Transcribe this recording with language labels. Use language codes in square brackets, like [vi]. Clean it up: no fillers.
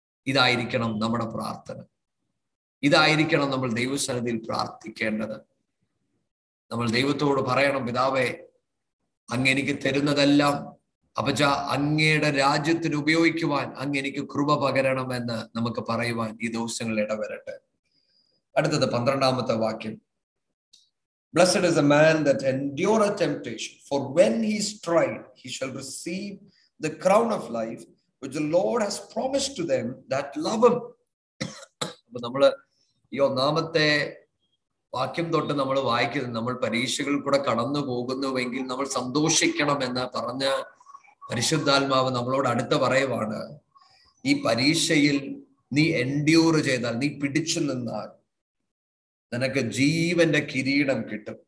[ml] ഇതായിരിക്കണം നമ്മുടെ പ്രാർത്ഥന, ഇതായിരിക്കണം നമ്മൾ ദൈവസന്നിധിയിൽ പ്രാർത്ഥിക്കേണ്ടത്. നമ്മൾ ദൈവത്തോട് പറയണം, പിതാവേ അങ്ങ് എനിക്ക് തരുന്നതെല്ലാം അപ്പച്ച അങ്ങയുടെ രാജ്യത്തിന് ഉപയോഗിക്കുവാൻ അങ്ങ് എനിക്ക് കൃപ പകരണം എന്ന് നമുക്ക് പറയുവാൻ ഈ ദിവസങ്ങളിൽ ഇടവരട്ടെ. അടുത്തത് 12-ാമത്തെ വാക്യം, [en] Blessed is a man that endure a temptation, for when he is tried, he shall receive the crown of life which the Lord has promised to them that love him. [ml] അപ്പോൾ നമ്മൾ ഈ ഒന്നാമത്തെ വാക്യം തൊട്ട് നമ്മൾ വായിക്കുന്നത്, നമ്മൾ പരീക്ഷകളിൽ കൂടെ കടന്നു പോകുന്നുവെങ്കിൽ നമ്മൾ സന്തോഷിക്കണം എന്ന് പറഞ്ഞ പരിശുദ്ധാത്മാവ് നമ്മളോട് അടുത്ത പറയുവാണ്, ഈ പരീക്ഷയിൽ നീ എൻഡ്യൂർ ചെയ്താൽ, നീ പിടിച്ചു നിന്നാൽ നിനക്ക് ജീവന്റെ കിരീടം കിട്ടും.